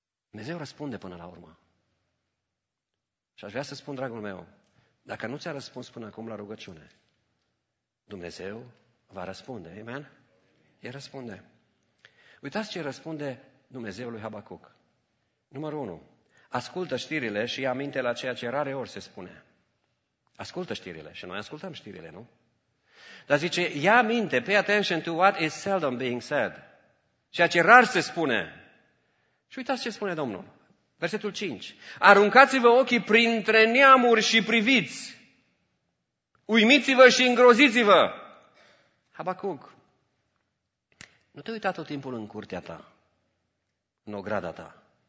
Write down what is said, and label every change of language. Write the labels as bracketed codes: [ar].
[ro] Dumnezeu răspunde până la urmă. Și aș vrea să spun, dragul meu, dacă nu ți-a răspuns până acum la rugăciune, Dumnezeu va răspunde. Amen? El răspunde. Uitați ce răspunde Dumnezeu lui Habacuc. Numărul 1. Ascultă știrile și ia minte la ceea ce rare ori se spune. Ascultă știrile și noi ascultăm știrile, nu? Dar zice, ia minte, [en] pay attention to what is seldom being said. [ro] Ceea ce rar se spune. Și uitați ce spune Domnul. Versetul 5. Aruncați-vă ochii printre neamuri și priviți. Uimiți-vă și îngroziți-vă. Habacuc, nu te uita tot timpul în curtea ta, în ograda ta.